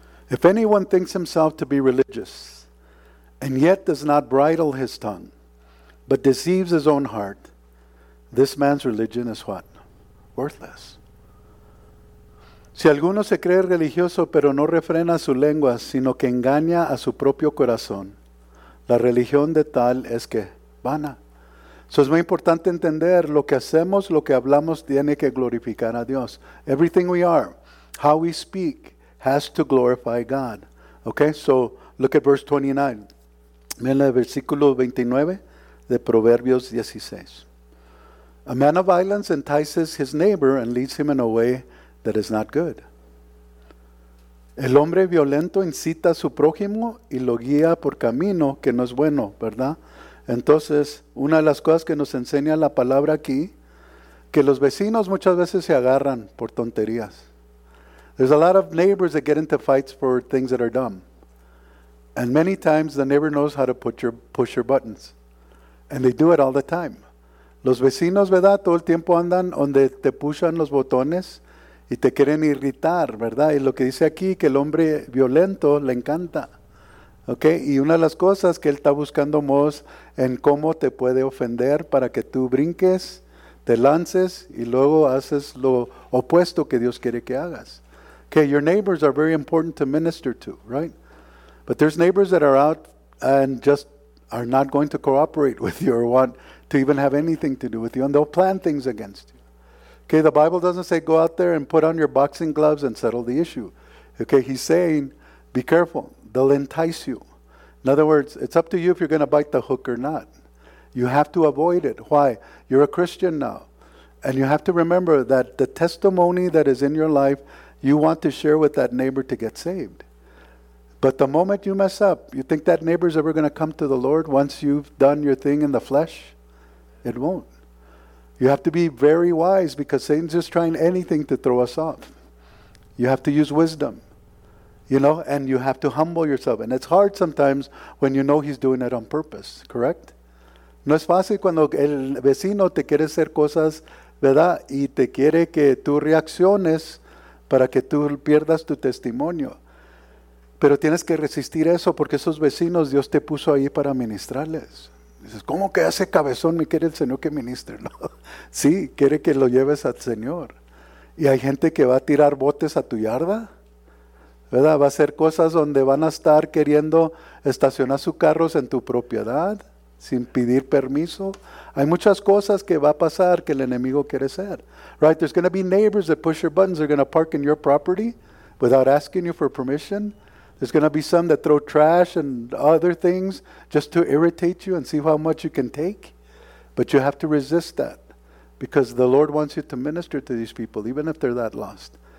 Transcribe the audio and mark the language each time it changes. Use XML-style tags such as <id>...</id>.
<en>If anyone thinks himself to be religious and yet does not bridle his tongue, but deceives his own heart, this man's religion is what? Worthless.</en> <es>Si alguno se cree religioso pero no refrena su lengua, sino que engaña a su propio corazón, la religión de tal es que vana. So es muy importante entender lo que hacemos, lo que hablamos tiene que glorificar a Dios.</es> <en>Everything we are, how we speak, has to glorify God. Okay, so look at verse 29.</en> <es>Miren el versículo 29 de Proverbios 16.</es> <en>A man of violence entices his neighbor and leads him in a way that is not good.</en> <es>El hombre violento incita a su prójimo y lo guía por camino que no es bueno, ¿verdad? Entonces, una de las cosas que nos enseña la palabra aquí, que los vecinos muchas veces se agarran por tonterías.</es> <en>There's a lot of neighbors that get into fights for things that are dumb. And many times the neighbor knows how to push your buttons. And they do it all the time.</en> <es>Los vecinos, ¿verdad? Todo el tiempo andan donde te pushan los botones y te quieren irritar, ¿verdad? Y lo que dice aquí, que el hombre violento le encanta. Okay? Y una de las cosas que él está buscando modos en cómo te puede ofender para que tú brinques, te lances y luego haces lo opuesto que Dios quiere que hagas.</es> <en>Okay, your neighbors are very important to minister to, right? But there's neighbors that are out and just are not going to cooperate with you or want to even have anything to do with you, and they'll plan things against you. Okay, the Bible doesn't say go out there and put on your boxing gloves and settle the issue. Okay, he's saying be careful. They'll entice you. In other words, it's up to you if you're going to bite the hook or not. You have to avoid it. Why? You're a Christian now. And you have to remember that the testimony that is in your life, you want to share with that neighbor to get saved. But the moment you mess up, you think that neighbor's ever going to come to the Lord once you've done your thing in the flesh? It won't. You have to be very wise because Satan's just trying anything to throw us off. You have to use wisdom, you know, and you have to humble yourself. And it's hard sometimes when you know he's doing it on purpose, correct?</en> <es>No es fácil cuando el vecino te quiere hacer cosas, ¿verdad? Y te quiere que tú reacciones para que tú pierdas tu testimonio. Pero tienes que resistir eso porque esos vecinos Dios te puso ahí para ministrarles. Dices, ¿cómo que ese cabezón me quiere el Señor que ministre? ¿No? Sí, quiere que lo lleves al Señor. Y hay gente que va a tirar botes a tu yarda, ¿verdad? Va a hacer cosas donde van a estar queriendo estacionar sus carros en tu propiedad sin pedir permiso. Hay muchas cosas que va a pasar que el enemigo quiere hacer.</es> <en>Right, there's going to be neighbors that push your buttons. They're going to park in your property without asking you for permission. There's going to be some that throw trash and other things just to irritate you and see how much you can take. But you have to resist that because the Lord wants you to minister to these people, even if they're that lost.</en>